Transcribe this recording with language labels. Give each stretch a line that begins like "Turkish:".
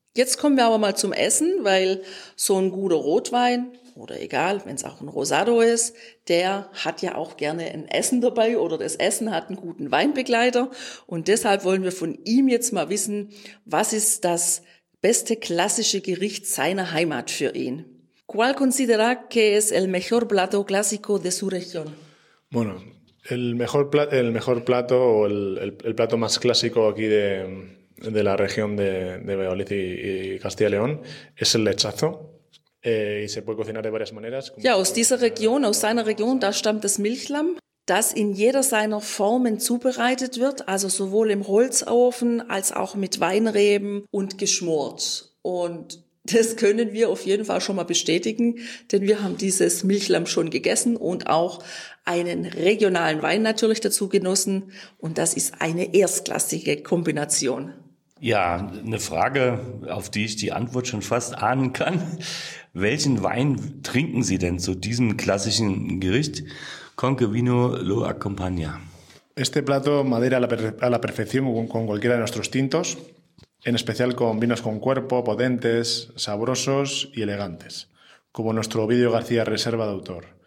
German: Jetzt kommen wir aber mal zum Essen, weil so ein guter Rotwein, oder egal, wenn es auch ein Rosado ist, der hat ja auch gerne ein Essen dabei oder das Essen hat einen guten Weinbegleiter. Und deshalb wollen wir von ihm jetzt mal wissen, was ist das beste klassische Gericht seiner Heimat für ihn?
Spanish: ¿Cuál considera que es el mejor plato clásico de su región? Bueno, el mejor plato o el plato más clásico aquí de la región de Valladolid y Castilla y León es el lechazo. Y se puede cocinar de varias maneras.
German: Ja, aus dieser Region, aus seiner Region, da stammt das Milchlamm, das in jeder seiner Formen zubereitet wird, also sowohl im Holzofen als auch mit Weinreben und geschmort. Und das können wir auf jeden Fall schon mal bestätigen, denn wir haben dieses Milchlamm schon gegessen und auch einen regionalen Wein natürlich dazu genossen. Und das ist eine erstklassige Kombination. Ja, eine Frage, auf die ich die Antwort schon fast ahnen kann. Welchen Wein trinken Sie denn zu diesem klassischen Gericht?
Spanish: Conque vino lo acompaña. Este plato madera a la perfección con cualquiera de nuestros tintos, en especial con vinos con cuerpo, potentes, sabrosos y elegantes, como nuestro Ovidio García Reserva de Autor.